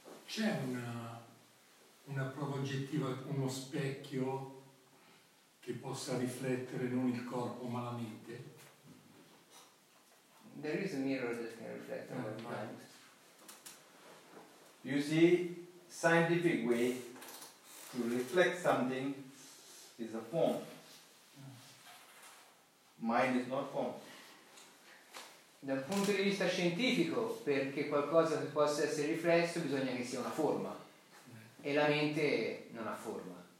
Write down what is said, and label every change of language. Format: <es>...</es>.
<it>C'è una prova oggettiva, uno specchio che possa riflettere non il corpo ma la mente?</it> <en>There is a mirror that can reflect on the mind. You see, scientific way to reflect something is a form. Mind is not form.</en> <it>Dal punto di vista scientifico, perché qualcosa che possa essere riflesso bisogna che sia una forma, e la mente non ha forma.</it>